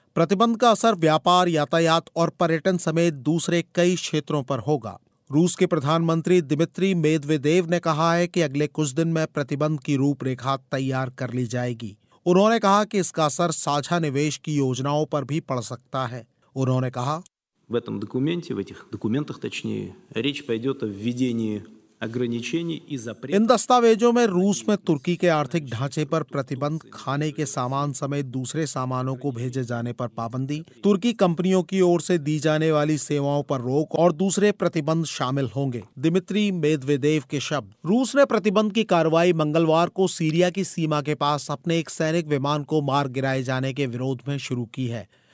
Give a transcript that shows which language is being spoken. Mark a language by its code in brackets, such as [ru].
[hi] प्रतिबंध का असर व्यापार, यातायात और पर्यटन समेत दूसरे कई क्षेत्रों पर होगा। रूस के प्रधानमंत्री दिमित्री मेदवेदेव ने कहा है कि अगले कुछ दिन में प्रतिबंध की रूपरेखा तैयार कर ली जाएगी। उन्होंने कहा कि इसका असर साझा निवेश की योजनाओं पर भी पड़ सकता है। उन्होंने कहा, [ru] В этом документе, в этих документах точнее, речь пойдет о введении ограничений и запретов. [hi] इन दस्तावेजों में रूस में तुर्की के आर्थिक ढांचे पर प्रतिबंध, खाने के सामान समेत दूसरे सामानों को भेजे जाने पर पाबंदी, तुर्की कंपनियों की ओर से दी जाने वाली सेवाओं पर रोक और दूसरे प्रतिबंध शामिल होंगे। दिमित्री मेदवेदेव के शब्द। रूस ने प्रतिबंध की कार्रवाई मंगलवार को सीरिया की सीमा के पास अपने एक सैनिक विमान को मार गिराए जाने के विरोध में शुरू की है।